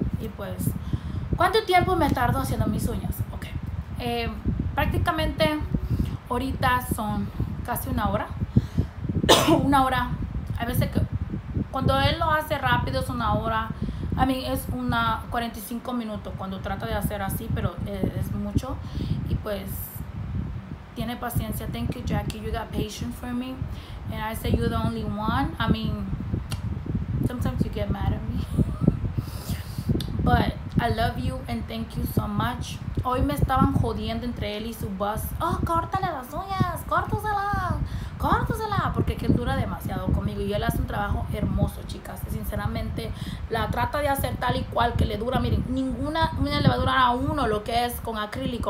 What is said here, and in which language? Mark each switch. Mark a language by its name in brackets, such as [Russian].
[Spanish] Y pues, ¿cuánto tiempo me tardo haciendo mis uñas? Ok, prácticamente ahorita son casi una hora. Una hora, a veces que cuando él lo hace rápido es una hora. A mí es una 45 minutos cuando trata de hacer así, pero es mucho. Y pues, tiene paciencia. [English] Thank you, Jackie. You got patience for me. And I say you're the only one. I mean, sometimes you get mad at me. But I love you and thank you so much. [Spanish] Hoy me estaban jodiendo entre él y su bus. Oh, córtale las uñas. Córtasela. Córtasela. Porque que dura demasiado conmigo. Y él hace un trabajo hermoso, chicas. Sinceramente, la trata de hacer tal y cual que le dura. Miren, ninguna uña le va a durar a uno lo que es con acrílico.